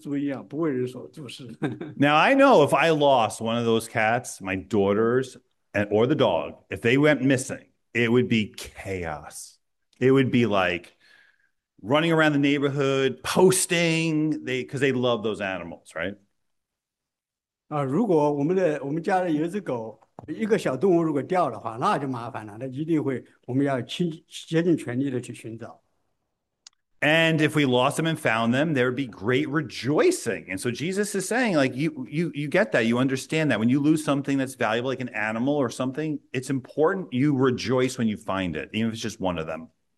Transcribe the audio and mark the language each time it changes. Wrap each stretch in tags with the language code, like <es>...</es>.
<en>Now, I know if I lost one of those cats, my daughters or the dog, if they went missing, it would be chaos. It would be like running around the neighborhood, posting, because they love those animals, right?</en> <zh>如果我们家的有只狗，一个小动物如果掉的话，那就麻烦了。那一定会，我们要倾竭尽全力的去寻找。</zh> <en>And if we lost them and found them, there'd be great rejoicing. And so Jesus is saying, like, you get that, you understand that when you lose something that's valuable, like an animal or something, it's important you rejoice when you find it, even if it's just one of them.</en>